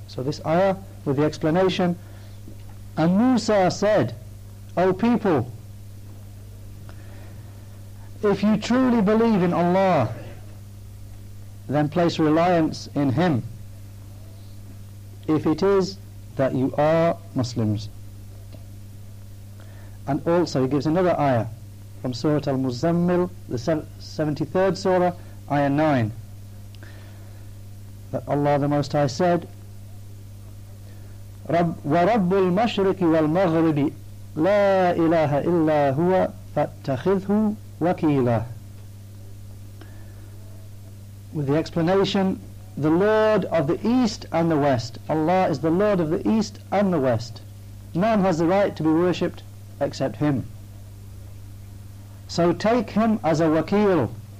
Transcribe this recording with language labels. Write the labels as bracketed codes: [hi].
[en] So this ayah with the explanation, and Musa said, O people, if you truly believe in Allah, then place reliance in him, if it is that you are Muslims. And also he gives another ayah from Surah Al-Muzammil, the 73rd surah, ayah 9. That Allah the Most High said, [ar] وَرَبُّ الْمَشْرِقِ وَالْمَغْرِبِ لَا إِلَهَ إِلَّا هُوَ فَاتَّخِذْهُ وَكِيلًا. [en] With the explanation, the Lord of the East and the West, Allah is the Lord of the East and the West. None has the right to be worshipped except him. So take him as a wakil.